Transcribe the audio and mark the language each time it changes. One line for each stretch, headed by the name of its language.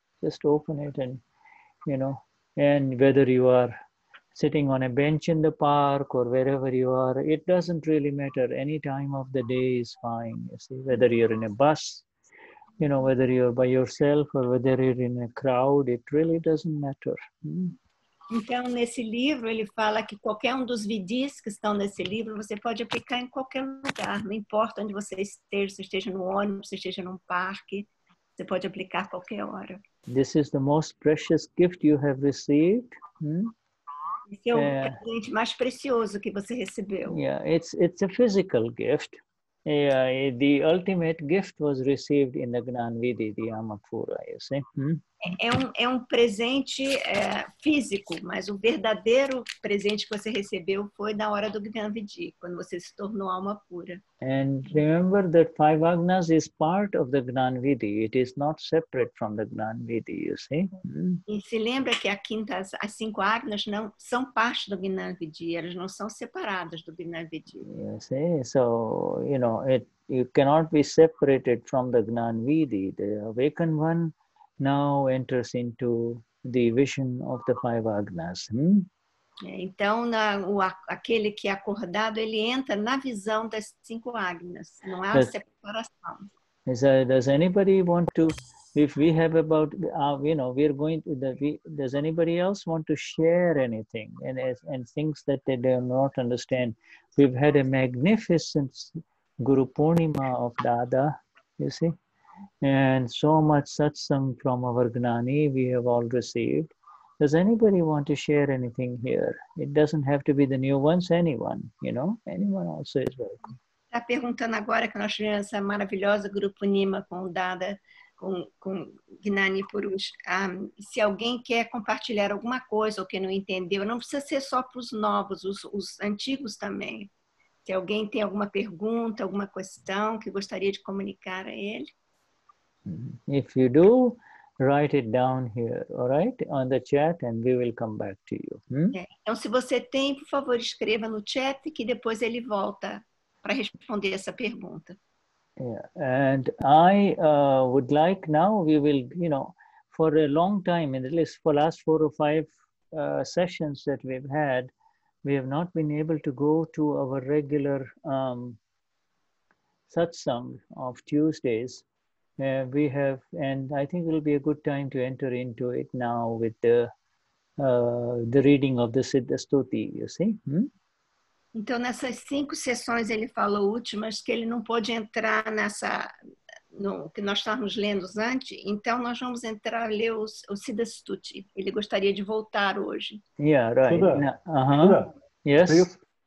English: Just open it and, you know, and whether you are sitting on a bench in the park or wherever you are, it doesn't really matter. Any time of the day is fine, you see, whether you're in a bus, you know, whether you're by yourself or whether you're in a crowd, it really doesn't matter.
Portuguese: Então, nesse livro, ele fala que qualquer dos vidis que estão nesse livro, você pode aplicar em qualquer lugar, não importa onde você esteja, se esteja no ônibus, se esteja num parque, você pode aplicar a qualquer hora.
English: This is the most precious gift you have received.
Portuguese: Esse é o presente mais precioso que você recebeu.
English: Yeah, it's a physical gift. Yeah, the ultimate gift was received in the Gnanvidhi, the Yamapura, you see.
Portuguese: É um presente físico, mas o verdadeiro presente que você recebeu foi na hora do Gnanvidhi, quando você se tornou alma pura.
English: And remember that five agnas is part of the Gnanvidhi. It is not separate from the Gnanvidhi, you see.
Portuguese: E se lembra que as cinco agnas não são parte do Gnanvidhi, elas não são separadas do Gnanvidhi.
English: You see, so, you know, you cannot be separated from the Gnanvidhi, the awakened one. Now enters into the vision of the five agnas.
Portuguese: Então, aquele que é acordado, ele entra na visão das cinco agnas. Não há separação.
English: Does anybody want to If we have about, you know, we're going to the, does anybody else want to share anything and things that they do not understand? We've had a magnificent Guru Purnima of Dada, you see, and so much satsang from our Gnani we have all received. Does anybody want to share anything here? It doesn't have to be the new ones, anyone, you know, anyone also is welcome.
Portuguese: Está perguntando agora que nós tivemos essa maravilhosa Grupo Nima com o Dada, com Gnani Purush. Se alguém quer compartilhar alguma coisa ou que não entendeu, não precisa ser só para os novos, os antigos também. Se alguém tem alguma pergunta, alguma questão que gostaria de comunicar a ele.
English: If you do, write it down here, all right? On the chat and we will come back to you.
Portuguese: Então, se você tem, por favor, escreva no chat que depois ele volta para responder essa pergunta.
English: Yeah. And I would like now, we will, you know, for a long time, at least for last four or five sessions that we've had, we have not been able to go to our regular satsang of Tuesdays. We have, and I think it will be a good time to enter into it now with the reading of the Siddha Stuti, you see?
Portuguese: Então, nessas cinco sessões, ele falou últimas, que ele não pôde entrar nessa, no, que nós estávamos lendo antes. Então, nós vamos entrar a ler o Siddha Stuti. Ele gostaria de voltar hoje.
English: Yeah, right. Suda. Yes. Please,